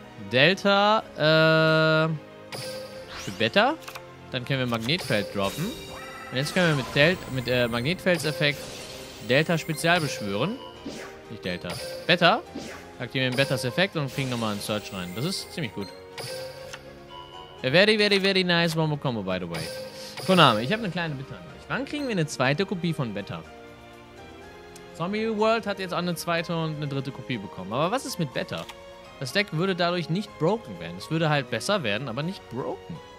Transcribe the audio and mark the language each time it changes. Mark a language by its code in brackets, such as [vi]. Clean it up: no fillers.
[de] Delta, für Beta. Dann können wir Magnetfeld droppen. Und jetzt können wir mit Magnetfeldseffekt Delta Spezial beschwören. Nicht Delta. Beta. Aktivieren Betas Effekt und kriegen nochmal einen Search rein. Das ist ziemlich gut. [en] A very, very, very nice Wombo Combo, by the way. [de] Konami, ich habe eine kleine Bitte an euch. Wann kriegen wir eine zweite Kopie von Beta? Zombie World hat jetzt auch eine zweite und eine dritte Kopie bekommen. Aber was ist mit Beta? Das Deck würde dadurch nicht broken werden. Es würde halt besser werden, aber nicht broken.